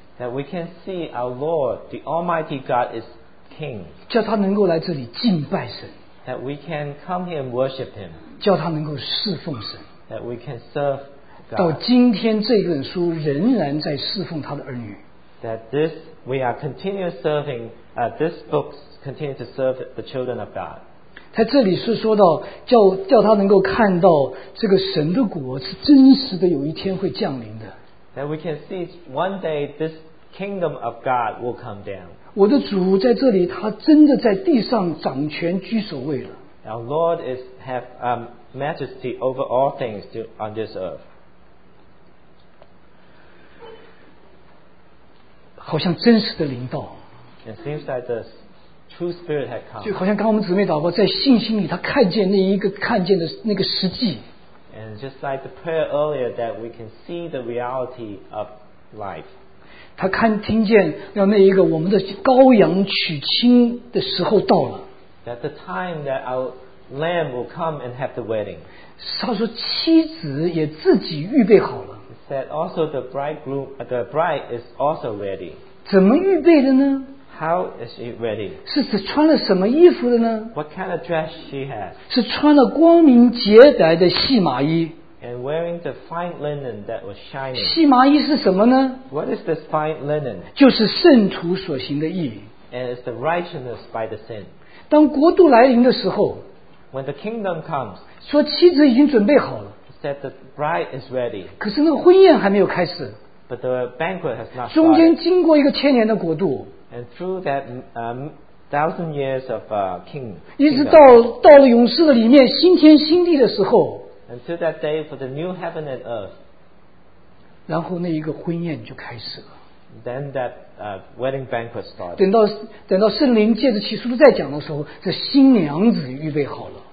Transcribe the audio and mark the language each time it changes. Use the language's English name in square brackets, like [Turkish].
[English] That we can see our Lord, the Almighty God is King. [Chinese] 叫他能够来这里敬拜神。 [English] That we can come here and worship Him. [Chinese] 叫他能够侍奉神。 [English] That we can serve God. [Chinese] 到今天这本书仍然在侍奉他的儿女。 [English] That this, we are continuing serving, this book continues to serve the children of God. [Chinese] 在这里是说到叫他能够看到这个神的国是真实的有一天会降临的。 [English] That we can see one day this kingdom of God will come down. [Chinese] 我的主在这里，他真的在地上掌权居首位了。 [English] Our Lord is have majesty over all things on this earth. [Chinese] 好像真实的临到。 [English] It seems that the true spirit had come. [Chinese] 就好像刚刚我们姊妹祷告，在信心里，他看见那一个看见的那个实际。 [English] And just like the prayer earlier, that we can see the reality of life. [Chinese] 他看听见让那一个我们的羔羊娶亲的时候到了。 [English] That the time that our lamb will come and have the wedding. [Chinese] 他说妻子也自己预备好了。 [English] That also the bridegroom, the bride is also ready. [Chinese] 怎么预备的呢？ [English] How is she ready? [Chinese] 是穿了什么衣服的呢？ [English] What kind of dress she has? [Chinese] 是穿了光明洁白的细麻衣。 [English] And wearing the fine linen that was shining. [Chinese] 细麻衣是什么呢？ [English] What is this fine linen? [Chinese] 就是圣徒所行的义。 [English] And it's the righteousness by the sin. [Chinese] 当国度来临的时候， [English] When the kingdom comes, [Chinese] 说妻子已经准备好了。 [English] That the bride is ready. [Chinese] 可是那个婚宴还没有开始。 [English] But the banquet has not started. [Chinese] 中间经过一个千年的国度。 [English] And through that thousand years of king. [Chinese] 一直到了永世的里面新天新地的时候。 [English] Until that day for the new heaven and earth. [Chinese] 然后那一个婚宴就开始了。 [English] Then that wedding banquet started. [Chinese] 等到圣灵借着启示录再讲的时候，这新娘子预备好了。